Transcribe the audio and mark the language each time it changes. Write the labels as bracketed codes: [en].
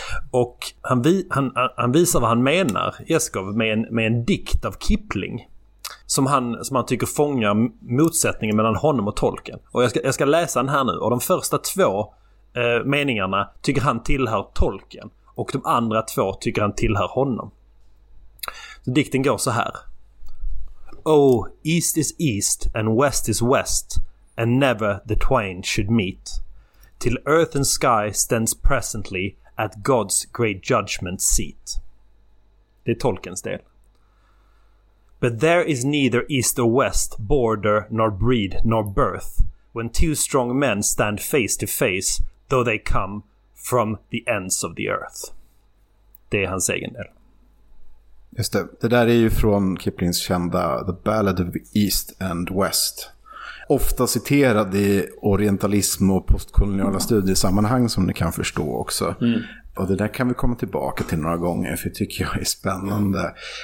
[sv] Och han visar vad han menar, Jeskov, med en dikt av Kipling som han tycker fångar motsättningen mellan honom och Tolkien. Och jag ska läsa den här nu, och de första två meningarna tycker han tillhör Tolkien, och de andra två tycker han tillhör honom. Så dikten går så här: [en] Oh, east is east and west is west, and never the twain should meet, till earth and sky stands presently at God's great judgment seat. [sv] Det är Tolkiens del. [en] But there is neither east or west, border nor breed nor birth, when two strong men stand face to face, though they come from the ends of the earth. [sv] Det är hans egen del. Just det. Det där är ju från Kiplings kända The Ballad of East and West. Ofta citerad i orientalism och postkoloniala studiesammanhang, som ni kan förstå också. Mm. Och det där kan vi komma tillbaka till några gånger, för det tycker jag är spännande.